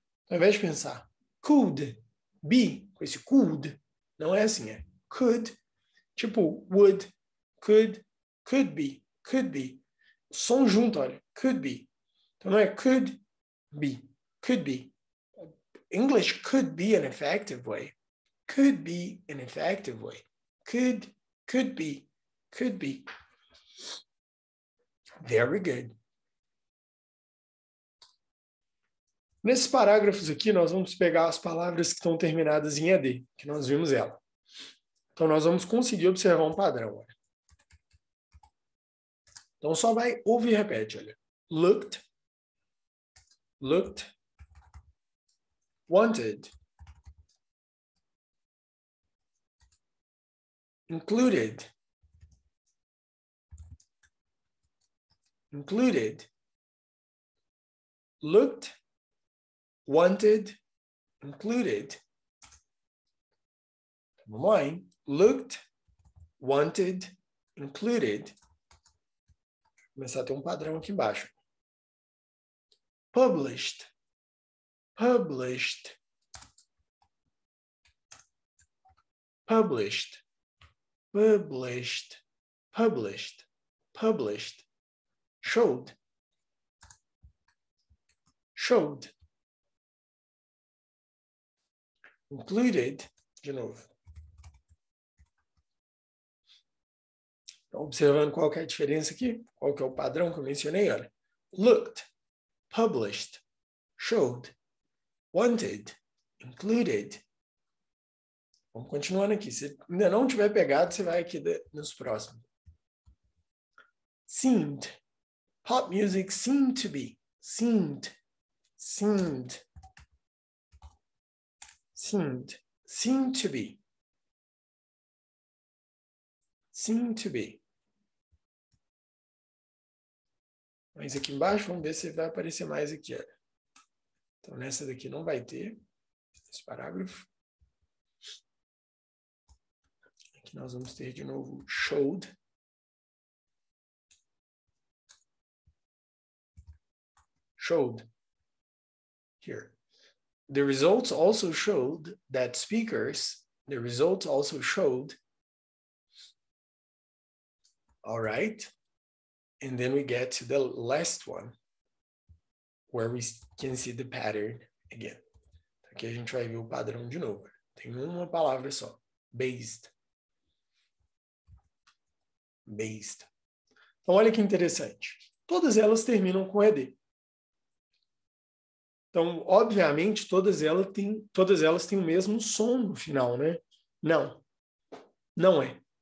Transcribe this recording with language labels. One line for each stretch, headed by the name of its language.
Portuguese: Ao invés de pensar
English: could be,
Portuguese: com esse could, não é assim, é could, tipo
English: would, could, could be, could be.
Portuguese: Som junto, olha,
English: could be.
Portuguese: Então não é
English: could be, could be. English could be an effective way. Could be an effective way. Could, could be, could be. Very good.
Portuguese: Nesses parágrafos aqui, nós vamos pegar as palavras que estão terminadas em ED, que nós vimos ela. Então, nós vamos conseguir observar um padrão. Olha. Então, só vai ouvir e repete, olha.
English: Looked, looked, wanted, included, included, looked, wanted, included.
Portuguese: Vamos lá, hein?
English: Looked, wanted, included.
Portuguese: Vou começar a ter um padrão aqui embaixo.
English: Published, published, published, published, published, published, showed, showed, included,
Portuguese: de novo. Observando qual que é a diferença aqui, qual que é o padrão que eu mencionei, olha.
English: Looked, published, showed, wanted, included.
Portuguese: Vamos continuando aqui. Se ainda não tiver pegado, você vai aqui nos próximos.
English: Seemed. Pop music seemed to be. Seemed. Seemed. Seemed. Seemed to be. Seemed to be.
Portuguese: Mas aqui embaixo, vamos ver se vai aparecer mais aqui. Então, nessa daqui não vai ter esse parágrafo. Aqui nós vamos ter de novo
English: showed. Showed. Here. The results also showed that speakers, the results also showed. All right. And then we get to the last one, where we can see the pattern again.
Portuguese: Aqui a gente vai ver o padrão de novo. Tem uma palavra só.
English: Based. Based.
Portuguese: Então, olha que interessante. Todas elas terminam com ED. Então, obviamente, todas elas têm o mesmo som no final, né? Não. Não é.